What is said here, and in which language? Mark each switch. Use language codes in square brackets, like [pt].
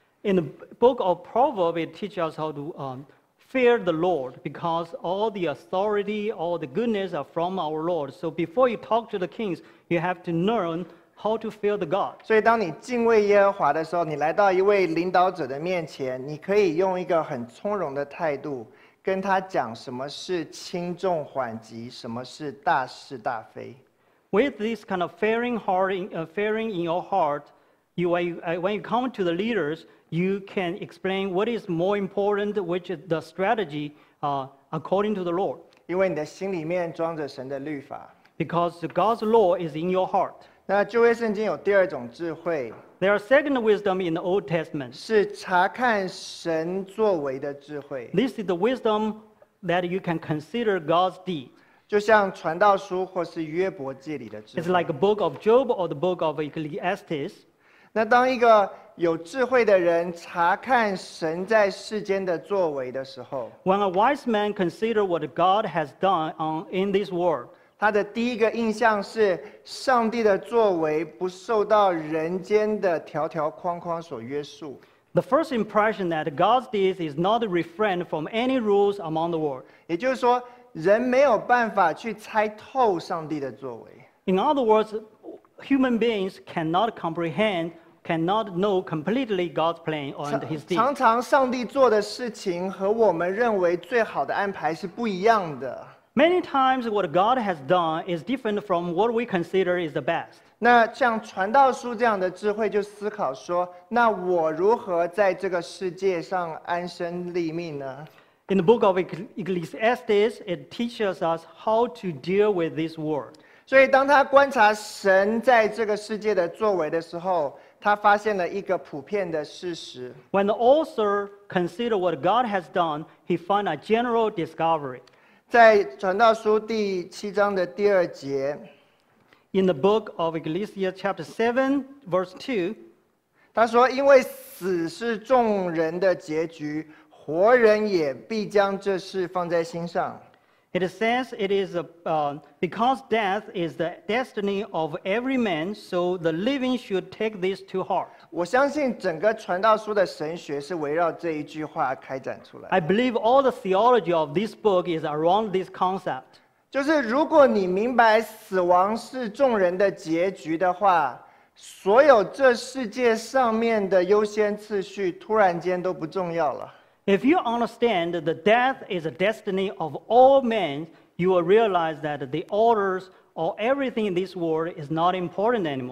[en] In the book of Proverbs, it teaches us how to fear the Lord, because all the authority, all the goodness are from our Lord. So before you talk to the kings, you have to learn how to fear the God. [zh] 所以当你敬畏耶和华的时候，你来到一位领导者的面前，你可以用一个很从容的态度跟他讲什么是轻重缓急，什么是大是大非。 [en] With this kind of fearing heart, fearing in your heart, when you come to the leaders,You can explain what is more important, which is the strategy, according to the Lord. [zh] 因为你的心里面装着神的律法。 [en] Because God's law is in your heart. [zh] 那旧约圣经有第二种智慧。 [en] There are second wisdom in the Old Testament. [zh] 是查看神作为的智慧。 [en] This is the wisdom that you can consider God's deed. [zh] 就像传道书或是约伯记里的智慧。 [en] It's like a book of Job or the book of Ecclesiastes. [zh] 那当一个有智慧的人查看神在世间的作为的时候 [en] ，When a wise man consider what God has done in this world， [zh] 他的第一个印象是上帝的作为不受到人间的条条框框所约束。 [en] The first impression that God's deeds is not refrained from any rules among the world， [zh] 也就是说，人没有办法去猜透上帝的作为。 [en] In other words， human beings cannot comprehend。 Cannot know completely God's plan and His deed. [zh] 常常上帝做的事情和我们认为最好的安排是不一样的。 [en] Many times what God has done is different from what we consider is the best. [zh] 那像传道书这样的智慧就思考说，那我如何在这个世界上安身立命呢？ [en] In the book of Ecclesiastes, it teaches us how to deal with this world. [zh] 所以当他观察神在这个世界的作为的时候，他发现了一个普遍的事实。 [en] When the author considered what God has done, he found a general discovery. [zh] 在传道书第七章的第二节。 [en] In the book of Ecclesiastes chapter 7, verse 2, [zh] 他说因为死是众人的结局，活人也必将这事放在心上。 [en] It says it is because death is the destiny of every man, so the living should take this to heart. [zh] 我相信整个传道书的神学是围绕这一句话开展出来。 [en] I believe all the theology of this book is around this concept. [zh] 就是如果你明白死亡是众人的结局的话，所有这世界上面的优先次序突然间都不重要了。 [en] If you understand that death is a destiny of all men, you will realize that the orders or everything in this world is not important anymore.